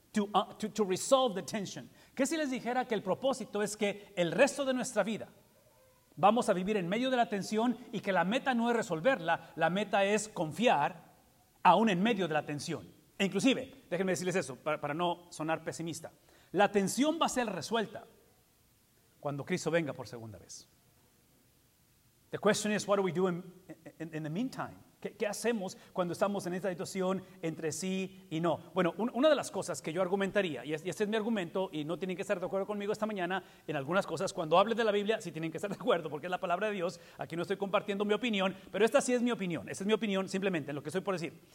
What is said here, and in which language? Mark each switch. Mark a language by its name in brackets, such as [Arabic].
[English] To resolve the tension. [Spanish] ¿Qué si les dijera que el propósito es que el resto de nuestra vida vamos a vivir en medio de la tensión y que la meta no es resolverla, la meta es confiar aún en medio de la tensión? E inclusive, déjenme decirles eso para no sonar pesimista. La tensión va a ser resuelta cuando Cristo venga por segunda vez. [English] The question is, what do we do in the meantime? [Spanish] ¿Qué hacemos cuando estamos en esta situación entre sí y no? Bueno, una de las cosas que yo argumentaría, y este es mi argumento, y no tienen que estar de acuerdo conmigo esta mañana, en algunas cosas, cuando hable de la Biblia, sí tienen que estar de acuerdo, porque es la palabra de Dios, aquí no estoy compartiendo mi opinión, pero esta sí es mi opinión, esta es mi opinión simplemente, en lo que estoy por decir.